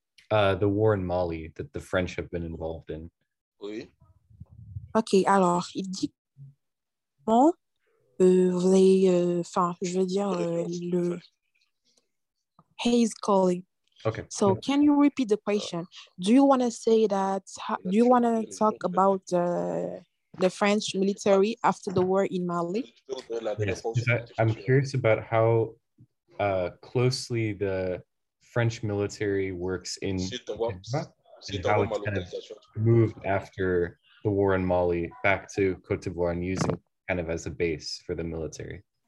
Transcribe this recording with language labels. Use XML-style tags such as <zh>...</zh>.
<en>The war in Mali that the French have been involved in.</en> <fr>Oui. Okay, alors, il dit comment vous avez, enfin, je veux dire, le...</fr> <en>Hayes calling. Okay. So yeah. Can you repeat the question? Do you want to say that, do you want to talk about the French military after the war in Mali? Yes. I'm curious about how closely the French military works in and how it's kind of moved after the war in Mali back to Côte d'Ivoire and using kind of as a base for the military.</en>